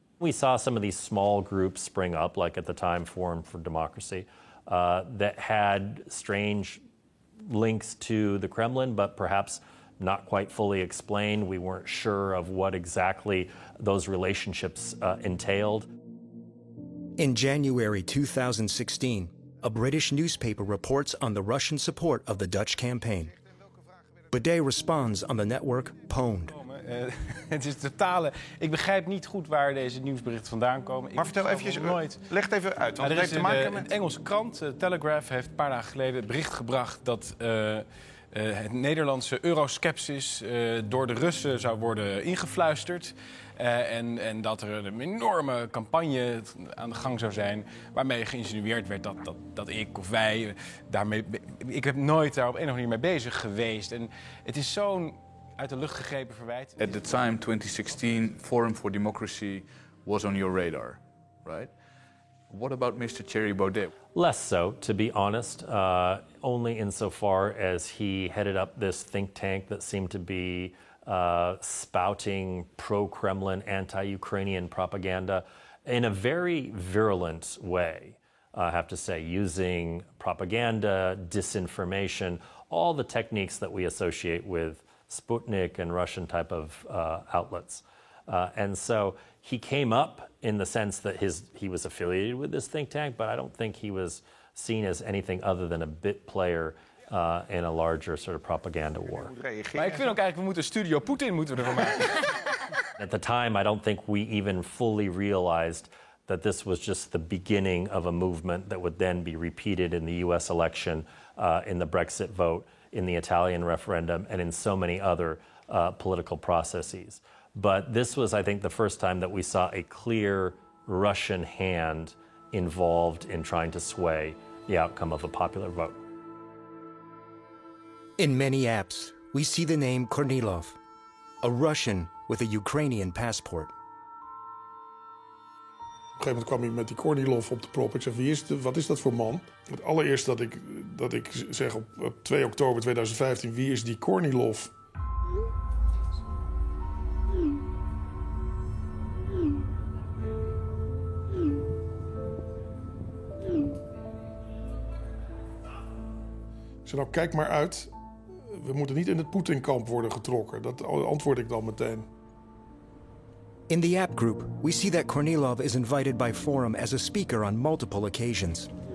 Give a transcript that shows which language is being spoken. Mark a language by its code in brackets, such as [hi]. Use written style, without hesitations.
[en] We saw some of these small groups spring up, like at the time Forum for Democracy, that had strange links to the Kremlin, but perhaps not quite fully explained. We weren't sure of what exactly those relationships entailed. In January 2016, a British newspaper reports on the Russian support of the Dutch campaign. Baudet responds on the network Pwned. [nl] Het is totale. Ik begrijp niet goed waar deze nieuwsberichten vandaan komen. Maar vertel even, leg het even uit. Want er is een Engelse krant, Telegraph, heeft een paar dagen geleden het bericht gebracht dat het Nederlandse euroskepsis door de Russen zou worden ingefluisterd. En dat er een enorme campagne aan de gang zou zijn, waarmee geïnsinueerd werd dat ik of wij daarmee. Ik heb nooit daar op een of andere manier mee bezig geweest. En het is zo'n uit de lucht gegrepen verwijt. [en] At the time, 2016, Forum for Democracy was on your radar, right? What about Mr. Thierry Baudet? Less so, to be honest. Only insofar as he headed up this think tank that seemed to be spouting pro-Kremlin, anti-Ukrainian propaganda in a very virulent way, I have to say, using propaganda, disinformation, all the techniques that we associate with Sputnik and Russian type of outlets. And so he came up in the sense that he was affiliated with this think tank, but I don't think he was seen as anything other than a bit player in a larger sort of propaganda war. [nl] Maar ik vind ook eigenlijk, we moeten Studio Poetin moeten ervan maken. [en] At the time, I don't think we even fully realized that this was just the beginning of a movement that would then be repeated in the US election, in the Brexit vote, in the Italian referendum, and in so many other political processes. But this was, I think, the first time that we saw a clear Russian hand involved in trying to sway the outcome of a popular vote. In many apps, we see the name Kornilov, a Russian with a Ukrainian passport. [nl] gegeven moment kwam hij met die Kornilov op de prop. Ik zei, wat is dat voor man? Het allereerste dat ik zeg op 2 oktober 2015, wie is die Kornilov? Ik zei, nou kijk maar uit. We moeten niet in het Poetin-kamp worden getrokken. Dat antwoord ik dan meteen. [en] In the app group, we see that Kornilov is invited by Forum as a speaker on multiple occasions.